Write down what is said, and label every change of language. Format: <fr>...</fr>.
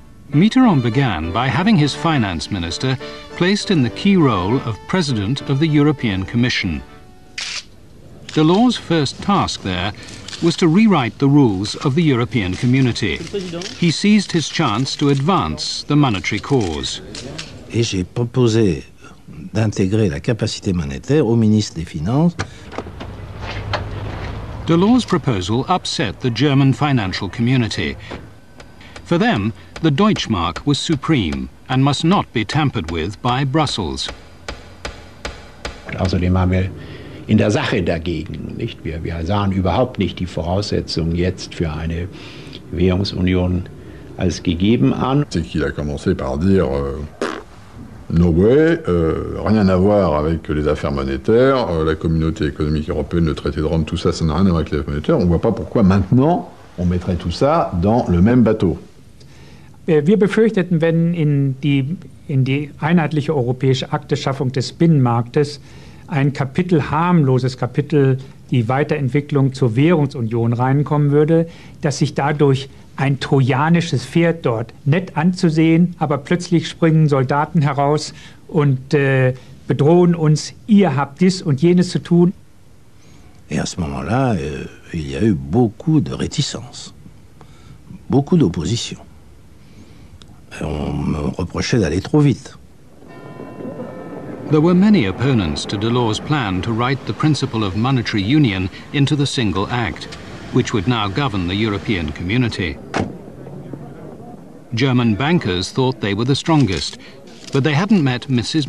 <en>Mitterrand began by having his finance minister placed in the key role of president of the European Commission. Delors' first task there was to rewrite the rules of the European community. He seized his chance to advance the monetary cause.</en> <fr>Et j'ai proposé d'intégrer la capacité monétaire au ministre des Finances.</fr> <en>Delors' proposal upset the German financial community. For them, the Deutschmark was supreme and must not be tampered with by Brussels.</en> <de>Außerdem haben wir in der Sache dagegen, nicht? Wir sahen überhaupt nicht die Voraussetzungen jetzt für eine Währungsunion als gegeben an.</de> <fr>C'est qu'il a commencé par dire</fr> <en>no way,</en> <fr>rien à voir avec les affaires monétaires, la communauté économique européenne, le traité de Rome, tout ça, ça n'a rien à voir avec les affaires monétaires. On ne voit pas pourquoi maintenant on mettrait tout ça dans le même bateau.</fr> <de>Wir befürchteten, wenn in die einheitliche europäische Akte Schaffung des Binnenmarktes ein Kapitel, harmloses Kapitel, die Weiterentwicklung zur Währungsunion reinkommen würde, dass sich dadurch ein trojanisches Pferd dort nett anzusehen, aber plötzlich springen Soldaten heraus und bedrohen uns, ihr habt dies und jenes zu tun.</de> <fr>Et à ce moment-là, il y a eu beaucoup de réticence, beaucoup d'opposition. On me reprochait d'aller trop vite.</fr> <en>There were many opponents to Delors' plan to write the principle of monetary union into the single act, which would now govern the European community. German bankers thought they were the strongest, but they hadn't met Mrs.</en>